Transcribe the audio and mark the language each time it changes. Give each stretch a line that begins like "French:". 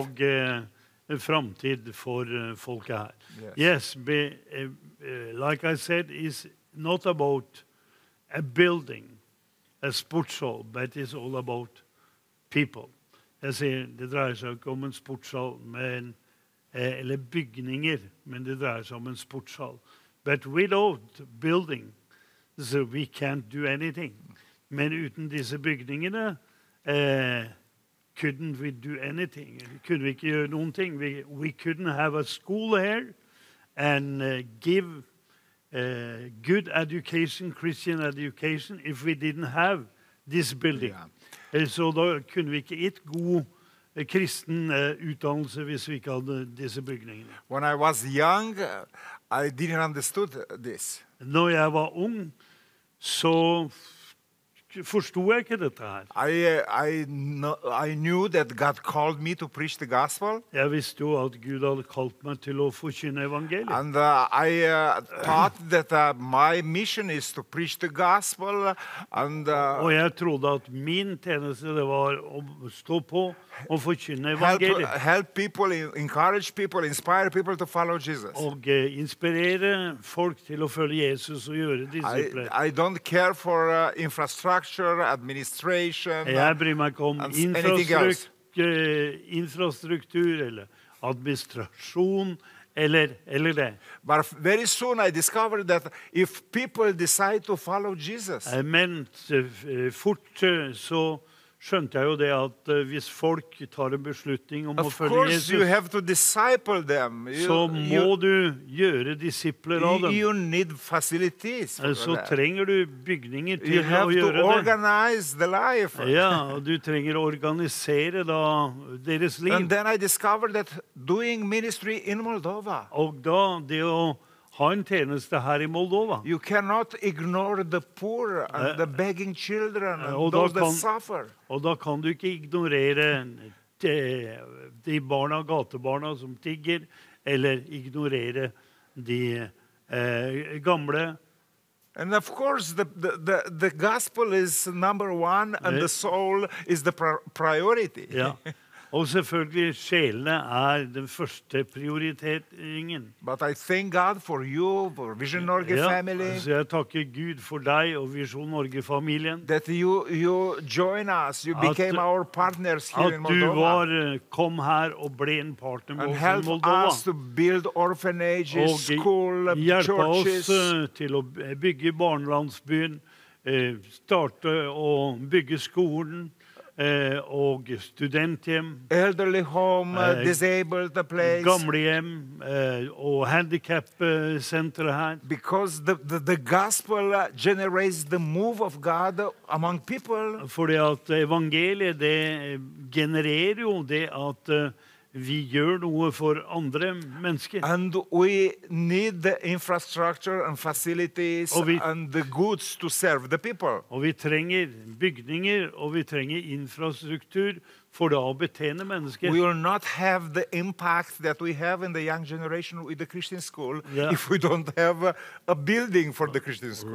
Norwegian: Gitt håp og framtid for folket her.
English: Yes, yes be, like I said, is not about a building, a sports hall, but it's all about people.
Norwegian: Jeg sier, det dreier seg ikke om en sportshall, men, eller bygninger, men det dreier seg om en sportshall.
English: But without building, so we can't do anything.
Norwegian: Men uten disse bygningene,
English: couldn't we do anything?
Norwegian: Kunne vi ikke gjøre noen ting?
English: We couldn't have a school here and give good education, Christian education, if we didn't have this building. Yeah.
Norwegian: Så da kunne vi ikke gitt god kristen utdannelse hvis vi ikke hadde disse bygningene.
English: When I was young, I didn't understand this.
Norwegian: Når jeg var ung, så forsto jeg ikke dette her.
English: I knew that God called me to preach the gospel.
Norwegian: Jeg visste jo at Gud hadde kalt meg til å forkynne evangeliet.
English: And I thought that my mission is to preach the gospel. And
Norwegian: og jeg trodde at min tjeneste det var å stå på og forkynne evangeliet.
English: Help people, encourage people, inspire people to follow Jesus.
Norwegian: Og inspirere folk til å følge Jesus og gjøre disipler.
English: I don't care for infrastructure. Infrastructure, administration,
Norwegian: jeg bryr meg om infrastruktur eller administrasjon eller det.
English: But very soon I discovered that if people decide to follow Jesus.
Norwegian: Men fort så skjønte jeg jo det at hvis folk tar en beslutning om å følge Jesus.
English: Of course you have to disciple them.
Norwegian: Så må du gjøre disipler av dem.
English: You need facilities.
Norwegian: Så trenger du bygninger til å gjøre det.
English: You have to organize the life.
Norwegian: Ja, du trenger å organisere da deres liv.
English: And then I discovered that doing ministry in Moldova.
Norwegian: Og da det å ha en tjeneste her I Moldova.
English: You cannot ignore the poor and the begging children and those that suffer.
Norwegian: Og da kan du ikke ignorere de barna, gatebarna som tigger, eller ignorere de gamle.
English: And of course, the gospel is number one and the soul is the priority.
Norwegian: Ja. Og selvfølgelig, sjelene den første prioriteringen.
English: But I thank God for you, for Vision Norge family.
Norwegian: Så jeg takker Gud for deg og Vision Norge-familien.
English: That you join us, you became our partners here in Moldova.
Norwegian: At du var, kom her og ble en partner med oss I Moldova.
English: And help us to build orphanages, school, churches.
Norwegian: Og hjelpe oss til å bygge barnelandsbyen, starte og bygge skolen. Og studenthjem.
English: Elderly home, disabled place.
Norwegian: Gamlehjem og handicap-senter her.
English: Because the gospel generates the move of God among people.
Norwegian: Fordi at evangeliet, det genererer jo det at vi gjør noe for andre mennesker.
English: And we need the infrastructure and facilities and the goods to serve the people.
Norwegian: Og vi trenger bygninger, og vi trenger infrastruktur for å betjene mennesker.
English: We will not have the impact that we have in the young generation with the Christian school if we don't have a building for the Christian school.